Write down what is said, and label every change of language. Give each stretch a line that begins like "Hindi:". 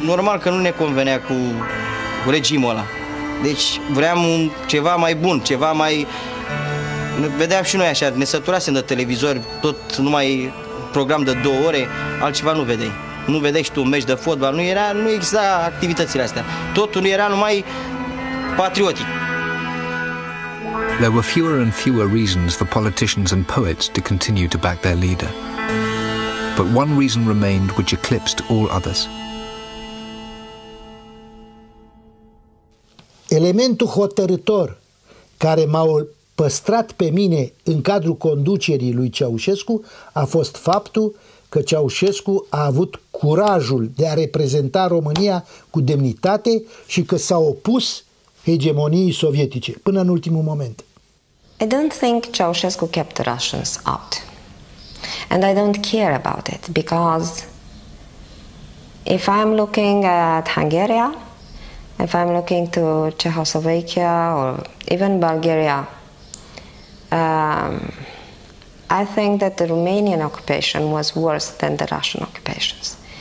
Romanian: Normal că nu ne convenea cu regimul ăla. Deci vreau ceva mai bun, ceva mai... Vedeam și noi așa, ne săturasem de televizor, tot numai program de două ore, altceva nu vedeai. Nu vedeai și tu un meci de fotbal, nu exista activitățile astea. Totul nu era numai patriotic.
English: There were fewer and fewer reasons for politicians and poets to continue to back their leader. But one reason remained which eclipsed all others.
Romanian: Elementul hotărător care m-a păstrat pe mine în cadrul conducerii lui Ceaușescu a fost faptul că Ceaușescu a avut curajul de a reprezenta România cu demnitate și că s-a opus hegemoniei sovietice până în ultimul moment.
English: I don't think Ceaușescu kept the Russians out. And I don't care about it because if I'm looking at Hungary, if I'm looking to Czechoslovakia or even Bulgaria, I think that the Romanian occupation was worse than the Russian occupations.